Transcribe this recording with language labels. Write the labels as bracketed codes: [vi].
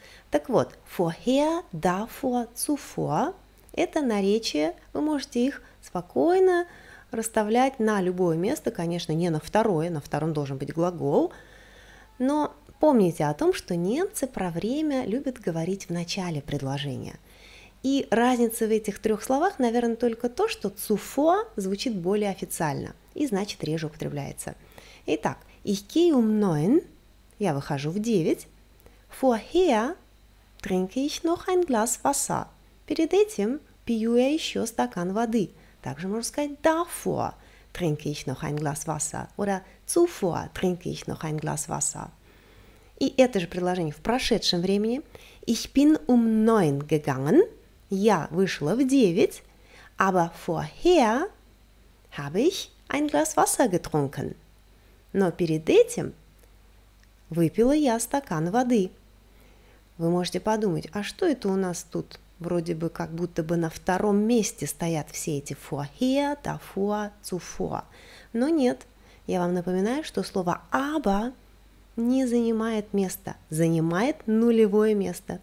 [ru] Так вот, vorher, davor, zuvor – это наречия, вы можете их спокойно расставлять на любое место, конечно, не на второе, на втором должен быть глагол. Но помните о том, что немцы про время любят говорить в начале предложения. И разница в этих трех словах, наверное, только то, что zuvor звучит более официально и значит реже употребляется. [de] Итак, ich gehe um 9, [ru] я выхожу в 9, [de] vorher trinke ich noch ein Glas Wasser. [ru] Перед этим пью я еще стакан воды. Также можно сказать [de] davor trinke ich noch ein Glas Wasser oder zuvor trinke ich noch ein Glas Wasser. [ru] И это же предложение в прошедшем времени. [de] Ich bin um 9 gegangen. [ru] Я вышла в 9, [de] aber vorher habe ich ein Glas Wasser getrunken. [ru] Но перед этим выпила я стакан воды. Вы можете подумать, а что это у нас тут вроде бы как будто бы на втором месте стоят все эти «фуа хия», «та фуа», «цуфуа». Но нет, я вам напоминаю, что слово «аба» не занимает место, занимает нулевое место.